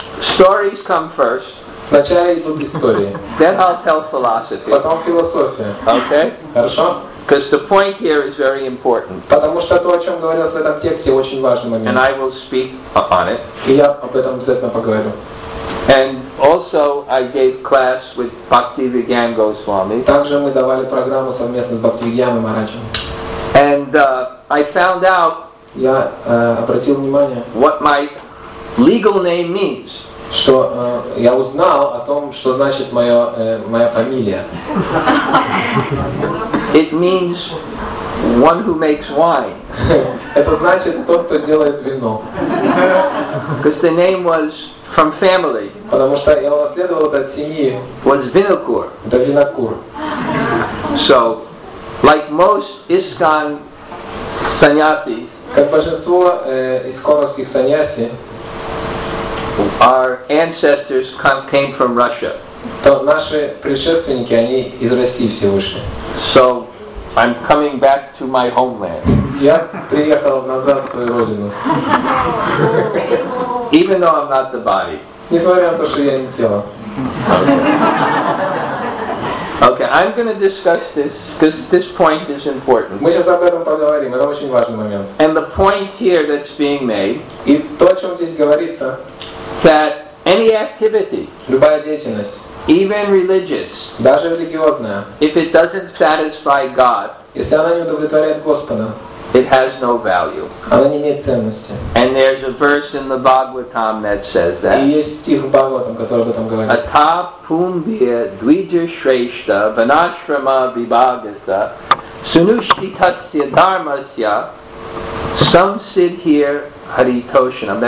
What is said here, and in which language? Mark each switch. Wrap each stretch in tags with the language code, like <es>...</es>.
<en>stories come first.</en> <ru>Вначале идут истории.</ru> <en>Then I'll tell philosophy.</en> <ru>Потом философия.</ru> <en>Okay?</en> <ru>Хорошо?</ru> <en>Because the point here is very important.</en> <ru>Потому что то, о чем говорилось в этом тексте, очень важный момент.</ru> <en>And I will speak on it.</en> <ru>И я об этом обязательно поговорю.</ru> <en>And also, I gave class with Bhaktivedanta Goswami.</en> <ru>Также мы давали программу совместно с Бхактивиданта Махараджем.</ru> <en>And I found out.</en> <ru>Я обратил внимание.</ru> <en>What my legal name means.</en> <ru>Что я узнал о том, что значит моя фамилия.</ru> <en>It means one who makes wine.</en> <ru>Это значит тот, кто делает вино.</ru> <en>Because the name was from family.</en> <ru>Потому что я унаследовал от семьи.</ru> <en>Was Vinokur.</en> <ru>Да, Vinokur.</ru> <en>So, like most ISKCON sannyasi.</en> <ru>Как большинство исконовских саньяси.</ru> <en>Our ancestors came from Russia.</en> <ru>То наши предшественники, они из России все вышли.</ru> <en>So, I'm coming back to my homeland.</en> <ru>Я приехал назад в свою родину.</ru> <en>Even though I'm not the body.</en> <ru>Несмотря на то, что я не тело.</ru> <en>Okay, I'm going to discuss this because this point is important.</en> <ru>Мы сейчас об этом поговорим, это очень важный момент.</ru> <en>And the point here that's being made.</en> <ru>И то, о чем здесь говорится.</ru> <en>That any activity,</en> <ru>любая деятельность,</ru> <en>even religious,</en> <ru>даже религиозная,</ru> <en>if it doesn't satisfy God,</en> <ru>если она не удовлетворяет Господа,</ru> <en>it has no value.</en> <ru>Она не имеет ценности.</ru> <en>And there's a verse in the Bhagavatam that says that.</en> <ru>И есть стих в Бхагаватам, который об этом говорит.</ru> <sa>Ата пундия двиджа шрешта ванашрама вибагаса сунуштитасья дармасья самсидхир Haritoshanam.</sa>